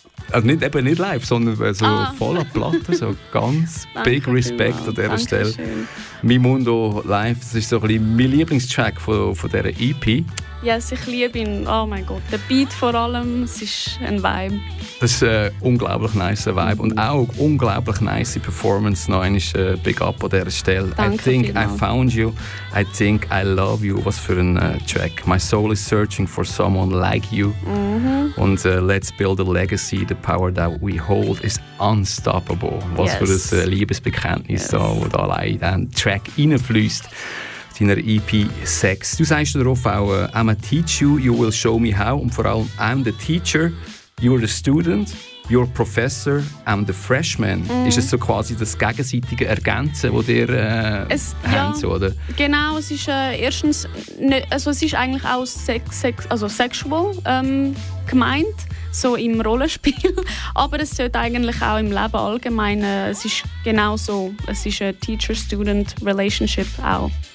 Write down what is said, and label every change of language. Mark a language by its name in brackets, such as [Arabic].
[German] Also nicht, eben nicht live, sondern so voller Platte. So ganz big respect an dieser Stelle. Mimondo live, das ist so ein bisschen mein Lieblingstrack von dieser EP. Yes, ich liebe ihn. Oh mein Gott. Der Beat vor allem, es ist ein Vibe. Das ist ein unglaublich nice Vibe. Und auch unglaublich nice Performance. Noch einmal Big Up an dieser Stelle. Danke, [English] I think [German] vielmals. [English] I found you. I think I love you. [German] Was für ein Track. [English] My soul is searching for someone like you. Mm-hmm. Und let's build a legacy. The power that we hold is unstoppable. [German] Was [English] yes. [German] für ein Liebesbekenntnis, yes. da, wo da allein in den Track reinfließt. Deiner EP 6. Du sagst darauf auch, [English] I'm a teacher, you will show me how. [German] Und vor allem, [English] I'm the teacher, you're the student, you're professor, I'm the freshman. Mm. [German] Ist es so quasi das gegenseitige Ergänzen, das ihr habt? Ja, oder? Genau. Es ist erstens, also es ist eigentlich auch sexual gemeint, so im Rollenspiel. Aber es sollte eigentlich auch im Leben allgemein, es ist genau so, es ist eine Teacher-Student-Relationship auch.